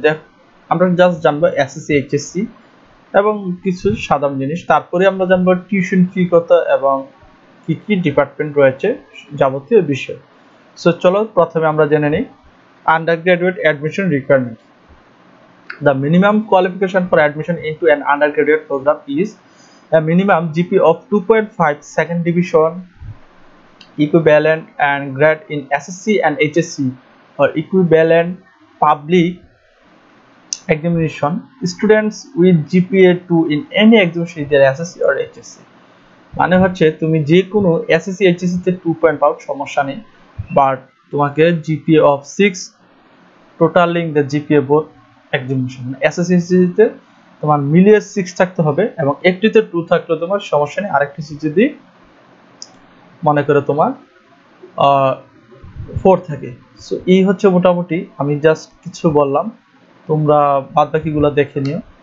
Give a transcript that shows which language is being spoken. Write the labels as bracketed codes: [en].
[bn] দেখ আমরা জাস্ট জানবো এসএসসি এইচএসসি এবং কিছু সাধারণ জিনিস, তারপরে আমরা জানবো টিউশন কি কত এবং কী কী ডিপার্টমেন্ট রয়েছে যাবতীয় বিষয়ে। সো চলো প্রথমে আমরা জেনে নিই under graduate admission requirement. [en] The minimum qualification for admission into an undergraduate program is a minimum GPA of 2.5 second division equivalent and grad in SSC and HSC or equivalent public examination. Students with GPA 2 in any examination either SSC or HSC. [bn] মানে হচ্ছে তুমি যে কোনো SSC HSC তে 2.5 পাও সমস্যা নেই, but তোমাকে [en] GPA of 6 totaling the GPA both [bn] একজামিনেশন এসএসসিতে তোমার মিলিয়ে 6 থাকতে হবে এবং একটিতে 2 থাকলে তোমার সমস্যা নেই। আরেকটি যদি মনে করে তোমার 4 থাকে, সো এই হচ্ছে মোটামুটি আমি জাস্ট কিছু বললাম, তোমরা বাদ বাকিগুলো দেখে নিও।